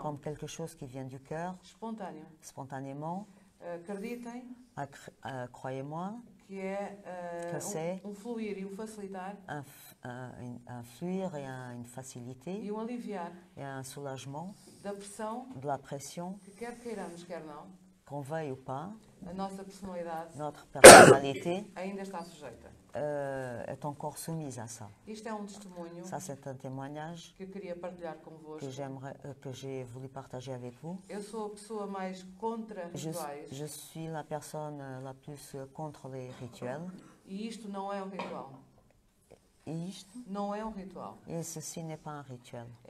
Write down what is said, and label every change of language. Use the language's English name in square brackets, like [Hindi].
[French] comme quelque chose qui vient du cœur, spontanément, [Portuguese] acreditem, [French] croyez-moi, [Portuguese] que é [French] que c'est [Portuguese] um fluir e um facilitar, [French] un fluir et une facilité, [Portuguese] e aliviar, [French] et un soulagement, [Portuguese] da pressão, [French] de la pression, [Portuguese] que quer queiramos, quer não, convém [French] ou pas, [Portuguese] a nossa personalidade, [French] notre personnalité, [Portuguese] ainda está sujeita. [French] Est encore soumise à ça. [Portuguese] Isto é testemunho. [French] Ça, c'est un témoignage [Portuguese] que eu queria partilhar convosco. [French] Que j'aimerais, que j'ai voulu partager avec vous. [Portuguese] Eu sou a pessoa mais contra rituais. [French] Je suis la personne la plus contre les rituels. [Portuguese] E isto não é ritual. [French] Et ceci n'est pas un rituel.